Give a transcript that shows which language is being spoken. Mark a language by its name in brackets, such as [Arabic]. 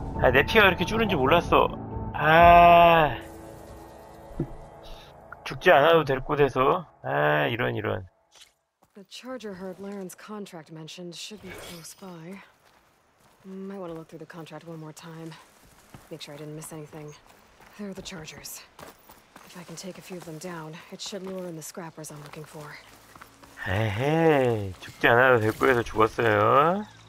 [Korean] 내 피가 이렇게 줄은지 몰랐어. 아, 죽지 않아도 될 곳에서. 아, 이런 이런. [English] The charger heard Laren's contract mentioned should be close by. Might want to look through the contract one more time. Make sure I didn't miss anything. There are the chargers. If I can take a few of them down, it should lure in the scrappers I'm looking for. [Korean] 에헤, 죽지 않아도 될 곳에서 죽었어요.